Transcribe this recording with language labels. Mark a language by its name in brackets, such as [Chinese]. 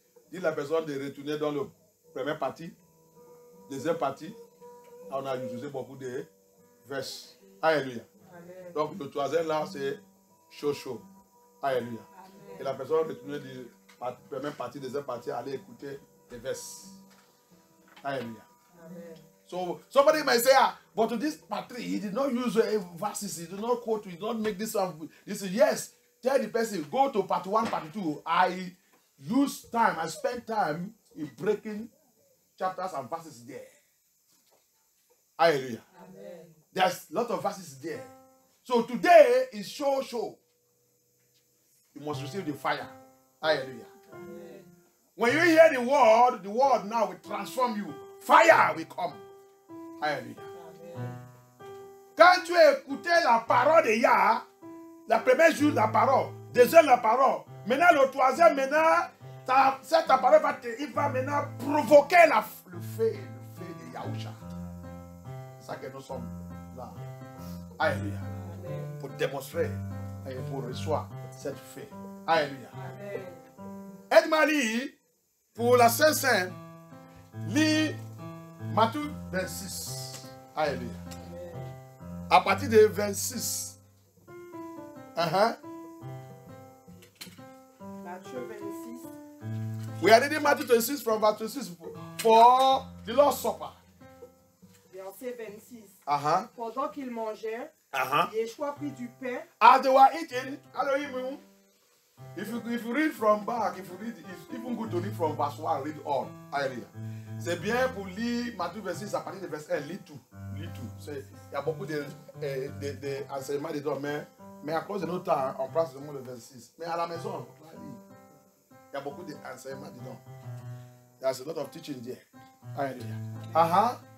[French] Dit la personne de retourner dans la première partie, deuxième partie, là on a utilisé beaucoup de verses. Alléluia. Amen. Donc le troisième là, c'est Chocho. Alléluia. Amen. Et la personne retournée dit, première partie, deuxième partie, allez écouter les verses. Alléluia. Amen. [English] So, somebody might say, but this Patrick, he did not use verses, he did not quote, he did not make this one. He said, yes, tell the person, go to part one, part two. I spent time in breaking chapters and verses there. Alléluia. Amen. There's a lot of verses there. So, today is show. You must receive the fire. Alléluia. When you hear the word now will transform you. Fire will come. Alléluia. [French] Quand tu écoutes la parole de Yah, la première jour la parole, deuxième la parole, maintenant le troisième, maintenant, cette parole va te, il va maintenant provoquer le feu de Yahusha. C'est ça que nous sommes là. Alléluia. Pour démontrer et pour recevoir cette feu. Alléluia. Aide-moi pour la Saint-Saint, lis Matthieu 26. Alléluia. à partir de 26. Matthieu 26. [English] We are reading Matthew 26 from verse 26 for the Lord's Supper. [French] Verset 26. Pendant qu'ils mangeaient, Yeshua prit du pain. [English] As they were eating, if you read from back, if you read, it's even good to read from verse 1, read all earlier. [French] C'est bien pour lire Matthieu 26 à partir de verset 1, lis tout. Il y a beaucoup d'enseignements dedans, mais à cause de notre temps, on passe seulement le 26. Mais à la maison, il y a beaucoup d'enseignements dedans. [English] There's a lot of teaching there. Alléluia.